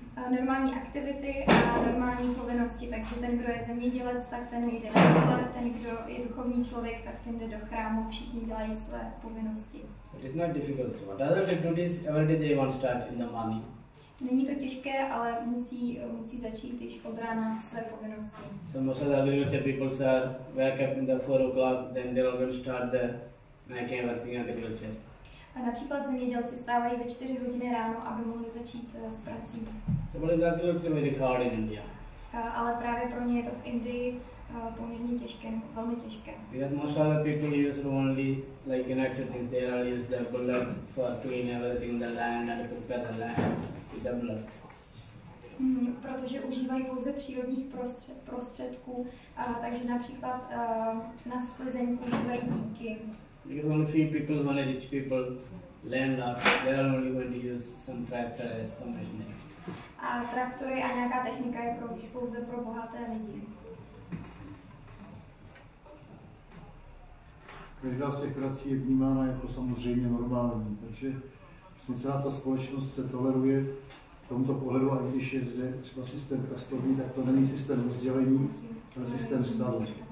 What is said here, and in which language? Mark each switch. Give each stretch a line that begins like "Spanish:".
Czech: Normální aktivity a normální povinnosti, takže ten, kdo je zemědělec, tak ten jde na pole, ten, kdo je duchovní člověk, tak ten jde do chrámu, všichni dělají své povinnosti.
English: So it's not difficult. So what other activities every day they want start in the morning?
Czech: Není to těžké, ale musí začít již od rána své povinnosti.
English: So most of the agriculture people start wake up in the 4 o'clock, then they will start the making everything agriculture.
Czech: A například zemědělci stávají ve 4 hodiny ráno, aby mohli začít s prací.
English: So what is agriculture very hard in India?
Czech: Ale právě pro ně je to v Indii poměrně těžké, velmi těžké.
English: Because most of the people use only like in actual things, they all use the bullet for clean everything, the land and prepare the land.
Czech: Protože užívají pouze přírodních prostředků, takže například na sklizeň užívají díky.
English: Because only few people, only rich people, landlords, they are only going to use some tractors, some machine.
Czech: A traktory a nějaká technika je pouze pro bohaté lidi. Každá z těch prací je vnímána jako samozřejmě normální, takže vlastně celá ta společnost se toleruje v tomto pohledu, a když je zde třeba systém kastovní, tak to není systém rozdělení, ale systém stavu.